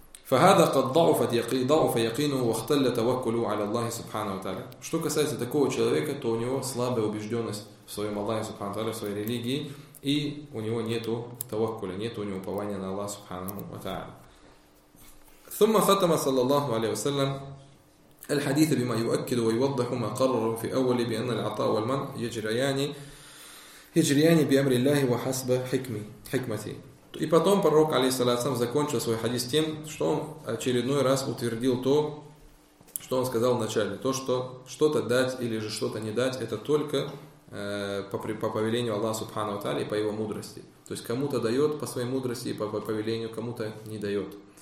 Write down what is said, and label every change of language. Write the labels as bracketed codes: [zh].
[ar] فَهَذَا قَدْ ضَعُفَتْ ضَعُفَ يَقِينُهُ وَاخْتَلَّ تَوَكُّلُهُ عَلَى اللَّهِ سُبْحَانَهُ وَتَعَالَى. [ru] Что касается такого человека, то у него слабая убежденность в своем Аллахе Субхану ва Тааля, в своей религии, и у него нету таваккуля, нету у него упования на Аллах Субхану ва Тааля. [ar] ثم ختم صلى الله عليه وسلم الحديث بما يؤكد ويوضح ما قرر في أول بأن العطاء والمنع يجريان بأمر الله وحسب حكمته. [ru] И потом пророк, алейхиссалям, закончил свой хадис тем, что он очередной раз утвердил то, что он сказал вначале. То, что что-то дать или же что-то не дать, это только по повелению Аллаха Субхану ва Тааля и по его мудрости. То есть кому-то дает по своей мудрости и по повелению, кому-то не дает.